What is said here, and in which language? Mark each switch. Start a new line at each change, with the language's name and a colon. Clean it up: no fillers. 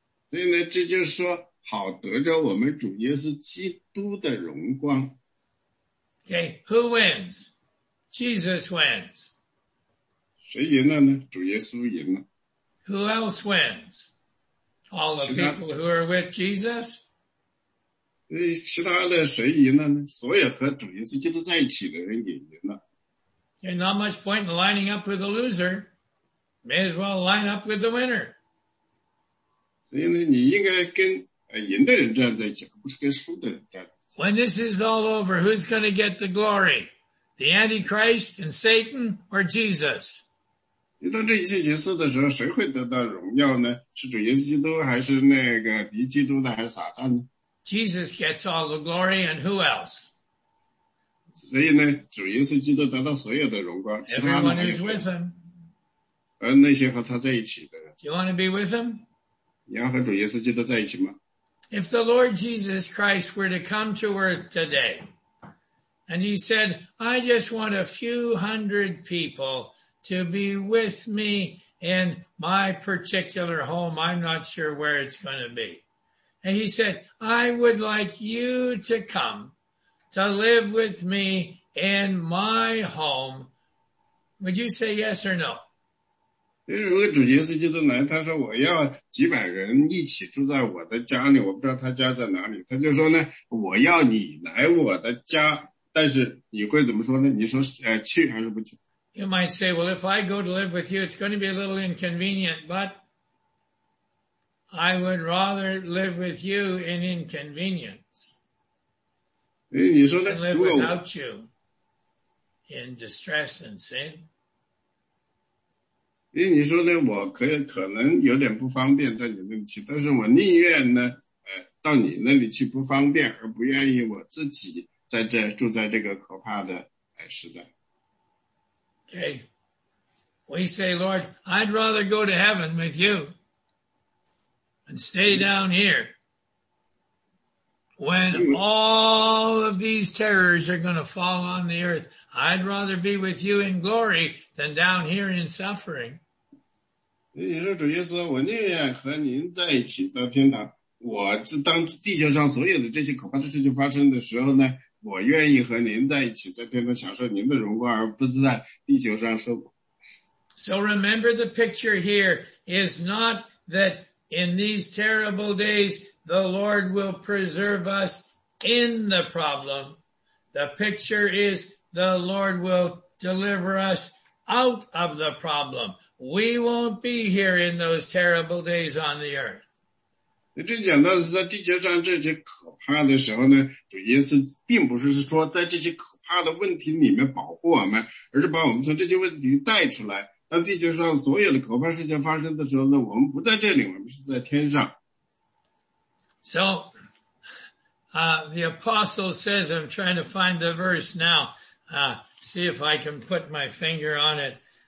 Chinese: 所以呢，这就是说，好得着我们主耶稣基督的荣光。
English: Okay, who wins? Jesus wins.
Chinese: 谁赢了呢？主耶稣赢了。
English: Who else wins? All the people who are with Jesus?
Chinese: 其他的谁赢了呢？所有和主耶稣基督在一起的人也赢了。
English: Okay, not much point in lining up with a loser. May as well line up with the winner.
Chinese: 所以呢，你应该跟赢的人站在一起，而不是跟输的人站在一起。
English: When this is all over, who's going to get the glory? The Antichrist and Satan or Jesus?
Chinese: 当这一切结束的时候，谁会得到荣耀呢？是主耶稣基督，还是那个敌基督呢？还是撒旦呢？
English: Jesus gets all the glory and who else?
Chinese: 所以呢，主耶稣基督得到所有的荣光，其他人
English: is with him.
Chinese: 而那些和他在一起的人。
English: Do you want to be with him?
Chinese: 你要和主耶稣基督在一起吗？
English: If the Lord Jesus Christ were to come to earth today, and he said, I just want a few hundred people to be with me in my particular home, I'm not sure where it's going to be. And he said, I would like you to come to live with me in my home. Would you say yes or no?
Chinese: 如果主耶稣基督来，他说我要几百人一起住在我的家里，我不知道他家在哪里，他就说呢，我要你来我的家，但是你会怎么说呢？你说去还是不去？
English: You might say, well, if I go to live with you, it's going to be a little inconvenient, but I would rather live with you in inconvenience.
Chinese: 你说呢？
English: Than live without you in distress and sin.
Chinese: 因为你说呢，我可能有点不方便到你那里去，但是我宁愿呢，到你那里去不方便，而不愿意我自己在这住在这个可怕的时代。
English: Okay, we say, Lord, I'd rather go to heaven with you and stay down here when all of these terrors are going to fall on the earth. I'd rather be with you in glory than down here in suffering.
Chinese: 你说主耶稣，我宁愿和您在一起到天堂。我当地球上所有的这些可怕的事情发生的时候呢，我愿意和您在一起，在天堂享受您的荣光，而不是在地球上受苦。
English: So remember, the picture here is not that in these terrible days the Lord will preserve us in the problem. The picture is the Lord will deliver us out of the problem. We won't be here in those terrible days on the earth.
Chinese: 这讲到是在地球上这些可怕的时候呢，主耶稣并不是说在这些可怕的问题里面保护我们，而是把我们从这些问题带出来。当地球上所有的可怕事情发生的时候呢，我们不在这里，我们是在天上。
English: So, the apostle says, I'm trying to find the verse now, see if I can put my finger on it.